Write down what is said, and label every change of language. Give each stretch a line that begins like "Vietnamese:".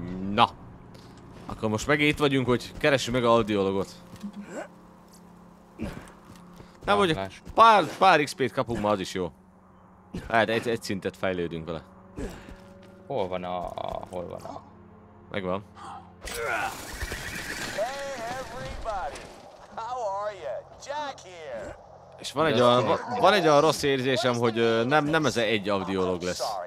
Hungarian: Na. Akkor most megint itt vagyunk, hogy keressük meg a audiologot. Nem, hogy pár XP-t kapunk, ma az is jó. Hát, egy szintet fejlődünk vele. Hol van a... Megvan.
English: Hey everybody, how are you? Jack here.
Hungarian: És van egy olyan, van egy olyan rossz érzésem, hogy nem ez egy audiolog lesz.